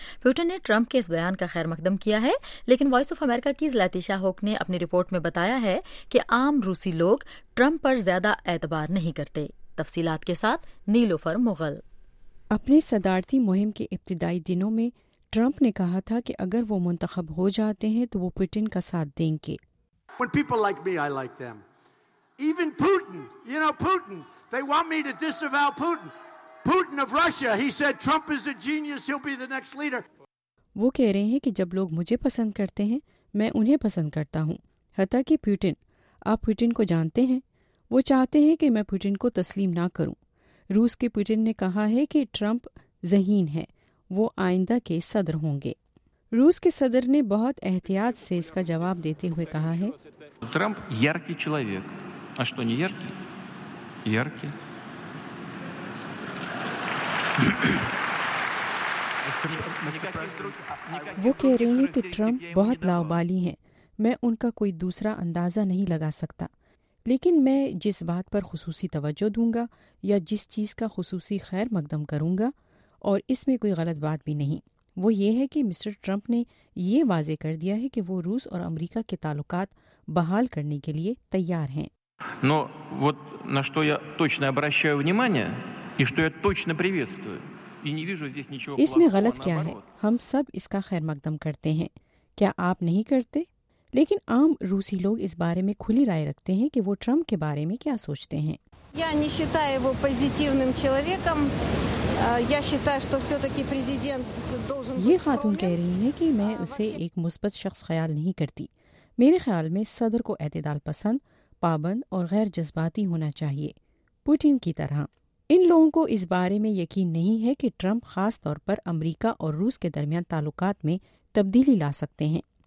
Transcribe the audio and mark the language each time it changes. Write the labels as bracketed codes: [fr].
[ur] Putin نے Trump کے اس بیان کا خیر مقدم کیا ہے, لیکن وائس آف امریکہ کی زلاتیشا ہوک نے اپنی رپورٹ میں بتایا ہے کہ عام روسی لوگ ٹرمپ پر زیادہ اعتبار نہیں کرتے. تفصیلات کے ساتھ نیلوفر مغل. اپنی صدارتی مہم کے ابتدائی دنوں میں ٹرمپ نے کہا تھا کہ اگر وہ منتخب ہو جاتے ہیں تو وہ پوٹن کا ساتھ دیں گے. [en] When people like me, I like them. Even Putin, you know Putin, they want me to disavow Putin. Putin of Russia, he said Trump is a genius, he'll be the next leader. [ur] وہ کہہ رہے ہیں کہ جب لوگ مجھے پسند کرتے ہیں میں انہیں پسند کرتا ہوں, حتیٰ کہ پوٹن, آپ پوٹن کو جانتے ہیں, وہ چاہتے ہیں کہ میں پوٹن کو تسلیم نہ کروں. روس کے پوٹن نے کہا ہے کہ ٹرمپ ذہین ہے, وہ آئندہ کے صدر ہوں گے. روس کے صدر نے بہت احتیاط سے اس کا جواب دیتے ہوئے کہا ہے, [ru] ٹرمپ یارکی چلاویک, اشتو نی یارکی, یارکی. [ur] وہ کہہ رہے ہیں کہ ٹرمپ بہت لاوبالی ہیں, میں ان کا کوئی دوسرا اندازہ نہیں لگا سکتا, لیکن میں جس بات پر خصوصی توجہ دوں گا یا جس چیز کا خصوصی خیر مقدم کروں گا, اور اس میں کوئی غلط بات بھی نہیں, وہ یہ ہے کہ مسٹر ٹرمپ نے یہ واضح کر دیا ہے کہ وہ روس اور امریکہ کے تعلقات بحال کرنے کے لیے تیار ہیں. [ru] Но вот на что я точно обращаю внимание и что я точно приветствую и не вижу здесь ничего плохого. [ur] اس میں غلط کیا ہے؟ ہم سب اس کا خیر مقدم کرتے ہیں, کیا آپ نہیں کرتے؟ لیکن عام روسی لوگ اس بارے میں کھلی رائے رکھتے ہیں کہ وہ ٹرمپ کے بارے میں کیا سوچتے ہیں. [ru] Я не считаю его позитивным человеком. Я считаю, что всё-таки президент должен. [ur] یہ خاتون کہہ رہی ہے کہ میں اسے ایک مثبت شخص خیال نہیں کرتی. میرے خیال میں صدر کو اعتدال پسند, پابند اور غیر جذباتی ہونا چاہیے, پوٹن کی طرح. ان لوگوں کو اس بارے میں یقین نہیں ہے کہ ٹرمپ خاص طور پر امریکہ اور روس کے درمیان تعلقات میں تبدیلی لا سکتے ہیں.